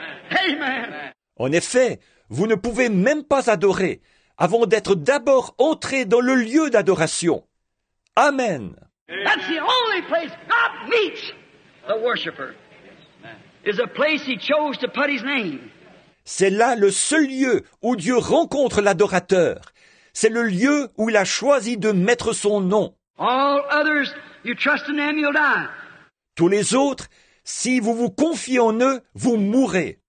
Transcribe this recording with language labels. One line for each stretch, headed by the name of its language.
French: Amen. En effet, vous ne pouvez même pas adorer avant d'être d'abord entré dans le lieu d'adoration. Amen.
English: That's the only place God meets the worshiper. Is a place he chose to put his name.
French: C'est là le seul lieu où Dieu rencontre l'adorateur. C'est le lieu où il a choisi de mettre son nom.
English: All others, you trust in them, you'll die.
French: Tous les autres, si vous vous confiez en eux, vous mourrez.